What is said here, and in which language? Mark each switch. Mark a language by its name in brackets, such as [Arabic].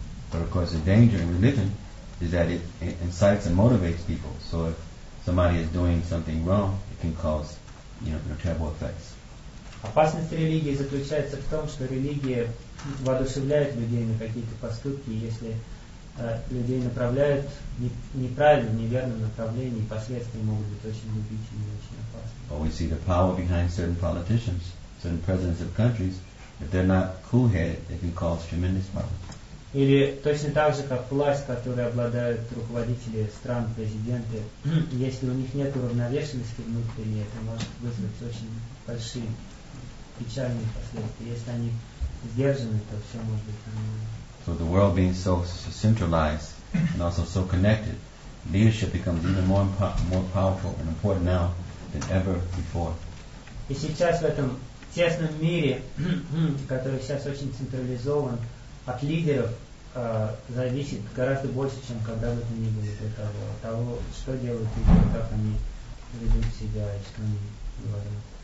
[English] But of course, the danger in religion is that it incites and motivates people. So if somebody is doing something wrong, it can cause, you know, terrible effects. [Russian] Опасность религии заключается в том, что религия воодушевляет людей на какие-то поступки, если людей направляют неправильно, неверно направление, последствия могут быть очень губительными и очень опасными. [English] But we see the power behind certain politicians, certain presidents of countries. If they're not cool-headed, they can cause tremendous problems. [Russian] Или точно так же, как власть, которой обладают руководители стран, президенты, если у них нет уравновешенности внутренней, это может вызвать очень большие печальные последствия. Если они сдержаны, то все может быть нормально. [English] So the world being so centralized and also so connected, leadership becomes even more powerful and important now than ever before. [Russian] И сейчас в этом тесном мире, который сейчас очень централизован, от лидеров зависит гораздо больше, чем когда бы то ни было до того, что делают лидеры, как они ведут себя и что они говорят.